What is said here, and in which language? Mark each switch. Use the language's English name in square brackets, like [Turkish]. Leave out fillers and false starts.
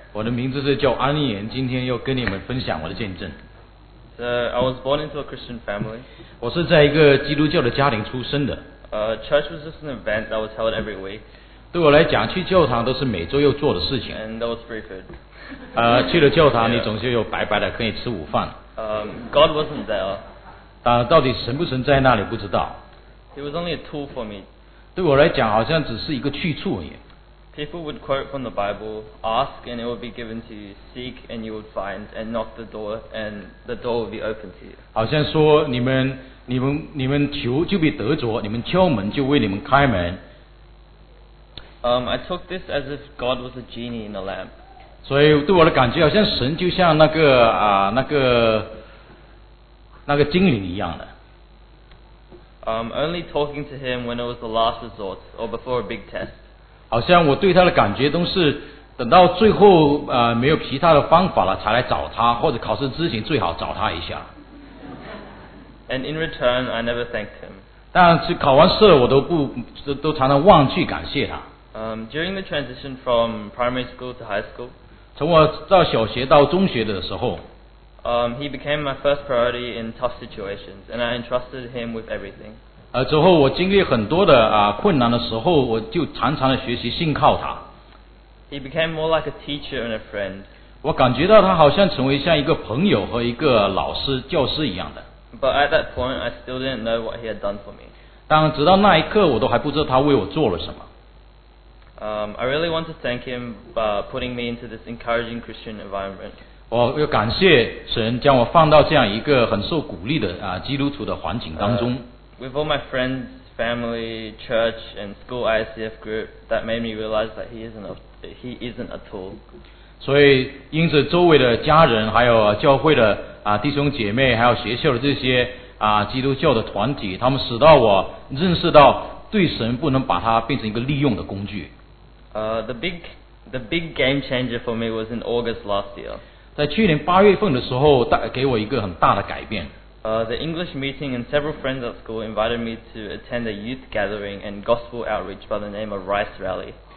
[Chinese] 我的名字是叫安言，今天要跟你们分享我的见证。 [English] So, I was born into a Christian family. [Chinese] 我是在一个基督教的家庭出生的。 [English] Church was just an event that was held every week. [Chinese] 对我来讲，去教堂都是每周要做的事情。 [English] And that was free food. [Chinese] 去了教堂，你总是有白白的可以吃午饭。 [English] God wasn't there. [Chinese] 到底神不神在那里不知道。 [English] He was only a tool for me. [Chinese] 对我来讲好像只是一个去处而已。 [English] People would quote from the Bible, ask and it would be given to you, seek and you would find, and knock the door and the door would be opened to you. [Chinese] 好像说你们求就被得着，你们敲门就为你们开门。 [English] I took this as if God was a genie in a lamp. [Chinese] 所以对我的感觉好像神就像那个精灵一样的。 [English] Only talking to him when it was the last resort or before a big test. [Chinese] 好像我对他的感觉都是等到最后没有其他的方法了才来找他，或者考试之前最好找他一下。 [English] And in return, I never thanked him. [Chinese] 但是考完试我都常常忘记感谢他。 [English] During the transition from primary school to high school, [Chinese] 从我到小学到中学的时候。 [English] He became my first priority in tough situations, and I entrusted him with everything. [Chinese] 之后我经历很多的困难的时候，我就常常的学习信靠他。 [English] He became more like a teacher and a friend. [Chinese] 我感觉到他好像成为像一个朋友和一个老师、教师一样的。 [English] But at that point, I still didn't know what he had done for me. [Chinese] 但直到那一刻，我都还不知道他为我做了什么。 [English] I really want to thank him for putting me into this encouraging Christian environment. [Chinese] 我要感谢神将我放到这样一个很受鼓励的基督徒的环境当中。 [English] With all my friends, family, church, and school ICF group, that made me realize that he isn't a tool. [Chinese] 所以，因此周围的家人，还有教会的弟兄姐妹，还有学校的这些基督教的团体，他们使到我认识到，对神不能把它变成一个利用的工具。 [English] The big game changer for me was in August last year. [Chinese] 在去年八月份的时候，给我一个很大的改变。 [English] The English meeting and several friends at school invited me to attend a youth gathering and gospel outreach by the name of Rice Rally.